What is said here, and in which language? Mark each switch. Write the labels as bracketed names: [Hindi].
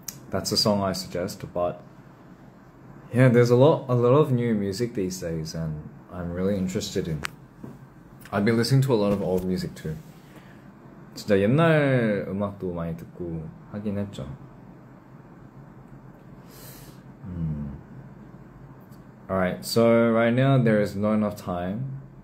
[English] That's a song I suggest, but yeah, there's a lot of new music these days, and I'm really interested in. I've been listening to a lot of old music too. [Korean] 진짜 옛날 음악도 많이 듣고 하긴 했죠. [English] Alright, so right now there is not enough time.